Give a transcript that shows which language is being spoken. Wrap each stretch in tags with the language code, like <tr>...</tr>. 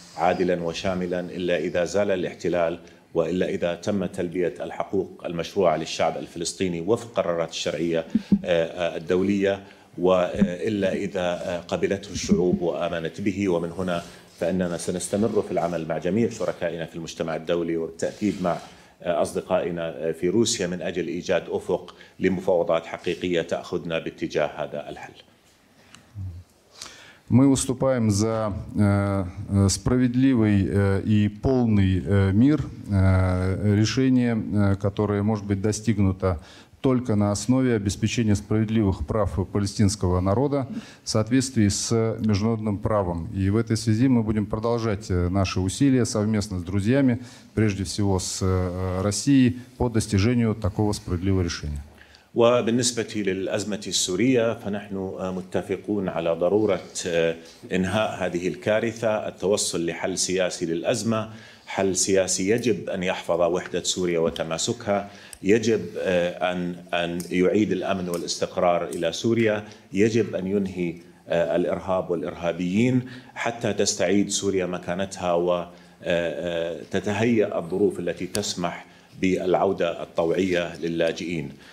<ar>عادلا وشاملا الا اذا زال الاحتلال والا اذا تم تلبيه الحقوق المشروعه للشعب الفلسطيني وفق قرارات الشرعيه الدوليه والا اذا قبلته الشعوب وامنت به ومن هنا فاننا سنستمر في العمل مع جميع شركائنا في المجتمع الدولي وبالتاكيد مع اصدقائنا في روسيا من اجل ايجاد افق لمفاوضات حقيقيه تاخذنا باتجاه هذا الحل.</ar> <ru>Мы выступаем за справедливый и полный мир, решение, которое может быть достигнуто только на основе обеспечения справедливых прав палестинского народа в соответствии с международным правом. И в этой связи мы будем продолжать наши усилия совместно с друзьями, прежде всего с Россией, по достижению такого справедливого решения.</ru> <ar>وبالنسبة للأزمة السورية فنحن متفقون على ضرورة إنهاء هذه الكارثة التوصل لحل سياسي للأزمة حل سياسي يجب أن يحفظ وحدة سوريا وتماسكها يجب أن يعيد الأمن والاستقرار إلى سوريا يجب أن ينهي الإرهاب والإرهابيين حتى تستعيد سوريا مكانتها وتتهيأ الظروف التي تسمح بالعودة الطوعية للاجئين</ar>